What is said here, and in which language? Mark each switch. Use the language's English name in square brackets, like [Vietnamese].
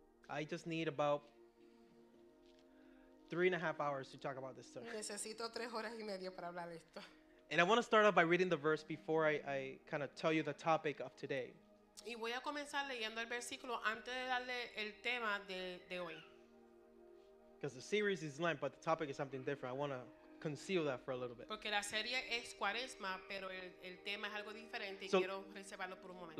[English] I just need about 3.5 hours to talk about this story. [Spanish] Necesito 3 horas y media para hablar de esto. [English] And I want to start off by reading the verse before I kind of tell you the topic of today. [Spanish] Y voy a comenzar leyendo el versículo antes de darle el tema de hoy. [English] Because the series is Lent, but the topic is something different. I want to conceal that for a little bit. [Spanish] Porque la serie es cuaresma, pero el tema es algo diferente y quiero reservarlo por un momento.